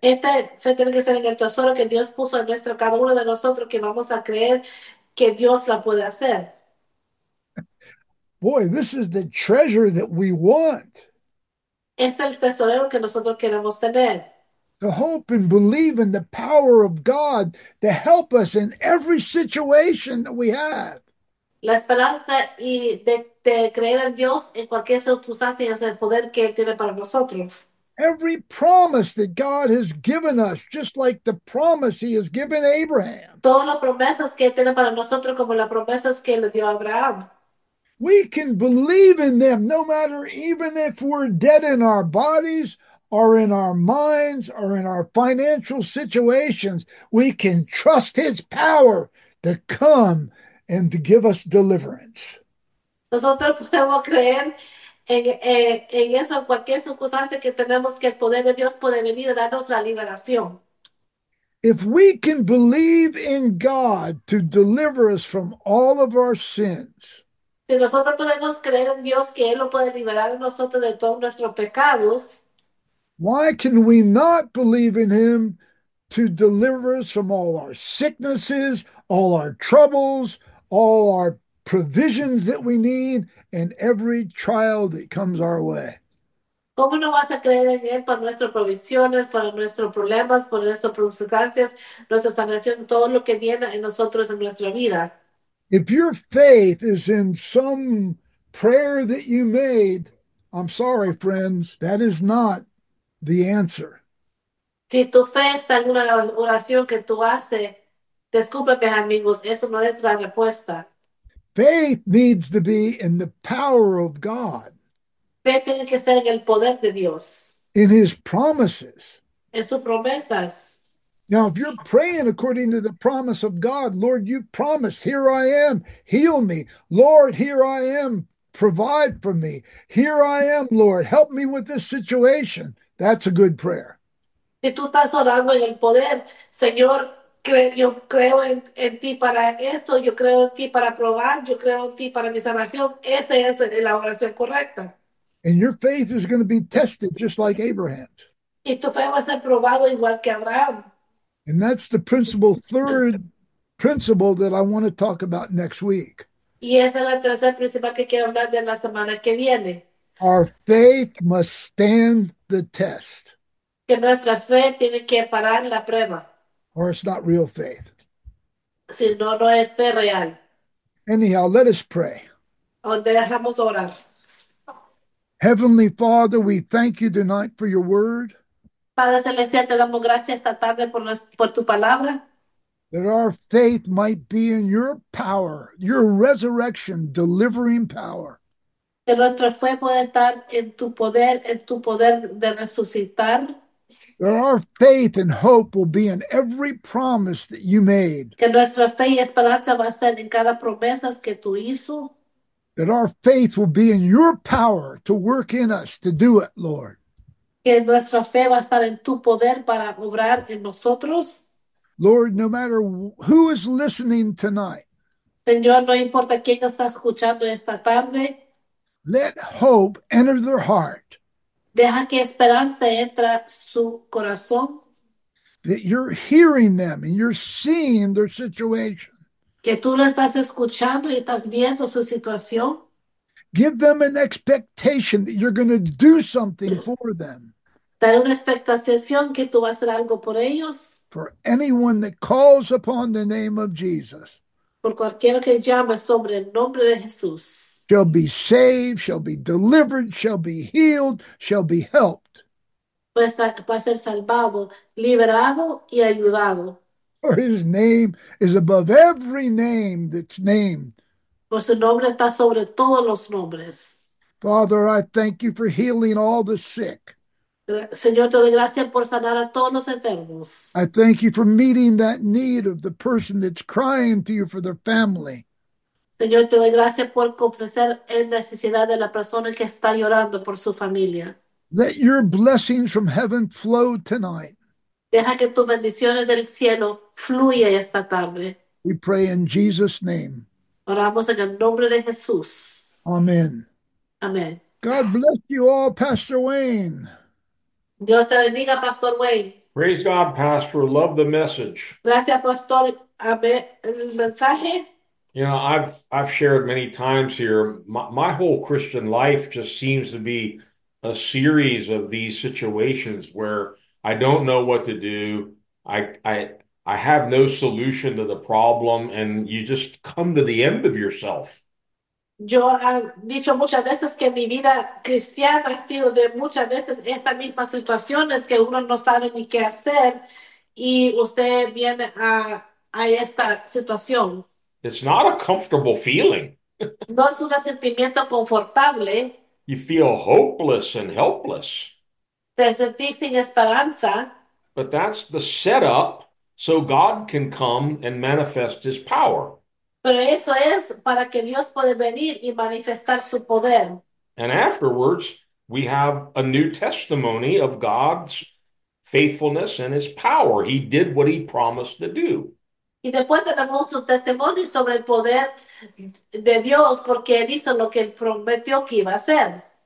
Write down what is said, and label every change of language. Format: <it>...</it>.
<es>Esta fe tiene que ser en el tesoro que Dios puso en nuestro cada uno de nosotros que vamos a creer que Dios la puede hacer.</es> <en>Boy, this is the treasure that we want.</en> <es>Este es el tesorero que nosotros queremos tener.</es> <en>To hope and believe in the power of God to help us in every situation that we have.</en> <es>La esperanza y de creer en Dios en cualquier circunstancia es el poder que Él tiene para nosotros.</es> <en>Every promise that God has given us, just like the promise he has given Abraham.</en> <es>Todas las promesas que Él tiene para nosotros, como las promesas que Él le dio a Abraham.</es> <en>We can believe in them no matter even if we're dead in our bodies or in our minds or in our financial situations. We can trust his power to come and to give us deliverance.</en> <es>Nosotros podemos creer en eso, en cualquier circunstancia que tenemos, que el poder de Dios puede venir a darnos la liberación.</es> <en>If we can believe in God to deliver us from all of our sins,</en> <es>Si nosotros podemos creer en Dios, que Él lo puede liberar a nosotros de todos nuestros pecados.</es> <en>why can we not believe in him to deliver us from all our sicknesses, all our troubles, all our provisions that we need, and every trial that comes our way?</en> <es>¿Cómo no vas a creer en Él para nuestras provisiones, para nuestros problemas, para nuestras circunstancias, nuestra sanación, todo lo que viene en nosotros en nuestra vida?</es> <en>If your faith is in some prayer that you made, I'm sorry, friends, that is not the answer.</en> <es>Si tu fe está en una oración que tú haces, discúlpeme, amigos, eso no es la respuesta.</es> <en>Faith needs to be in the power of God,</en> <es>Fe tiene que ser en el poder de Dios,</es> <en>in his promises.</en> <es>en sus promesas.</es> <en>Now, if you're praying according to the promise of God, Lord, you promised, here I am, heal me. Lord, here I am, provide for me. Here I am, Lord, help me with this situation. That's a good prayer.</en> <es>Estás orando en el poder, Señor, yo creo en ti para esto, yo creo en ti para probar, yo creo en ti para mi salvación. Esa es la oración correcta.</es> <en>And your faith is going to be tested just like Abraham's.</en> <es>Esto fue, va a ser probado igual que Abraham.</es> <en>And that's the principal third principle that I want to talk about next week.</en> <es>Y esa es la tercera principal que quiero hablar de la semana que viene.</es> <en>Our faith must stand the test,</en> <es>Que nuestra fe tiene que parar la prueba.</es> <en>or it's not real faith.</en> <es>Si no, no es real.</es> <en>Anyhow, let us pray.</en> <es>¿Dónde dejamos orar?</es> <en>Heavenly Father, we thank you tonight for your word.</en> <es>Padre Celestial, te damos gracias esta tarde por tu palabra.</es> <en>That our faith might be in your power, your resurrection delivering power.</en> <es>Que nuestra fe puede estar en tu poder de resucitar.</es> <en>That our faith and hope will be in every promise that you made.</en> <es>Que nuestra fe y esperanza va a estar en cada promesa que tú hizo.</es> <en>That our faith will be in your power to work in us to do it, Lord.</en> <es>Que nuestra fe va a estar en tu poder para obrar en nosotros.</es> <en>Lord, no matter who is listening tonight,</en> <es>Señor, no importa quién está escuchando esta tarde.</es> <en>let hope enter their heart</en> <es>Deja que esperanza entra su corazón.</es> <en>that you're hearing them and you're seeing their situation.</en> <es>Que tú lo estás escuchando y estás viendo su situación.</es> <en>Give them an expectation that you're going to do something for them.</en> <es>Dar una expectación que tú vas a hacer algo por ellos.</es> <en>For anyone that calls upon the name of Jesus</en> <es>Por cualquiera que llame sobre el nombre de Jesús.</es> <en>shall be saved, shall be delivered, shall be healed, shall be helped.</en> <es>Puede ser salvado, liberado y ayudado.</es> <en>For his name is above every name that's named.</en> <es>Por su nombre está sobre todos los nombres.</es> <en>Father, I thank you for healing all the sick.</en> <es>Señor, te doy gracias por sanar a todos los enfermos.</es> <en>I thank you for meeting that need of the person that's crying to you for their family.</en> <es>Señor, te doy gracias por comprender la necesidad de la persona que está llorando por su familia.</es> <en>Let your blessings from heaven flow tonight.</en> <es>Deja que tus bendiciones del cielo fluya esta tarde.</es> <en>We pray in Jesus' name.</en> <es>Oramos en el nombre de Jesús.</es> <en>Amen.</en> <es>Amén.</es> <en>God bless you all, Pastor Wayne.</en> <es>Dios te bendiga, Pastor Wayne.</es> <en>Praise God, Pastor. Love the message.</en> <es>Gracias, Pastor. Amén. El mensaje.</es> <en>You know, I've shared many times here. My whole Christian life just seems to be a series of these situations where I don't know what to do. I have no solution to the problem, and you just come to the end of yourself.</en> <es>Yo he dicho muchas veces que mi vida cristiana ha sido de muchas veces estas mismas situaciones que uno no sabe ni qué hacer y usted viene a esta situación.</es> <en>It's not a comfortable feeling.</en> <es>No es un sentimiento confortable.</es> <en>You feel hopeless and helpless.</en> <es>Te sentís sin esperanza.</es> <en>But that's the setup so God can come and manifest his power.</en> <es>Pero eso es para que Dios pueda venir y manifestar su poder.</es> <en>And afterwards, we have a new testimony of God's faithfulness and his power. He did what he promised to do.</en> <es>Y después tenemos un testimonio sobre el poder de Dios porque él hizo lo que él prometió que iba a hacer.</es>